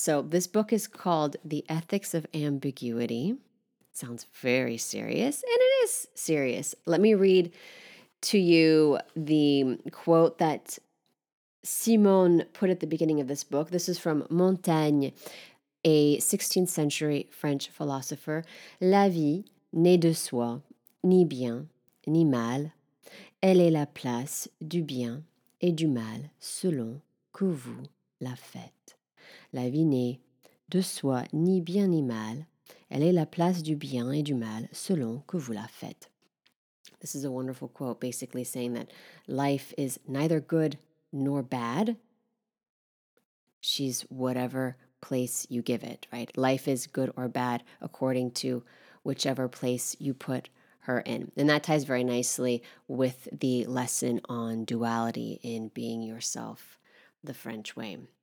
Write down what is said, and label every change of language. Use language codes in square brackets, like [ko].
[en] So this book is called The Ethics of Ambiguity. It sounds very serious, and it is serious. Let me read to you the quote that Simone put at the beginning of this book. This is from Montaigne, a 16th century French philosopher. [fr] La vie n'est de soi, ni bien, ni mal. Elle est la place du bien et du mal selon que vous la faites. La vie n'est de soi ni bien ni mal. Elle est la place du bien et du mal selon que vous la faites. [en] This is a wonderful quote, basically saying that life is neither good nor bad. She's whatever place you give it, right? Life is good or bad according to whichever place you put her in. And that ties very nicely with the lesson on duality in being yourself the French way.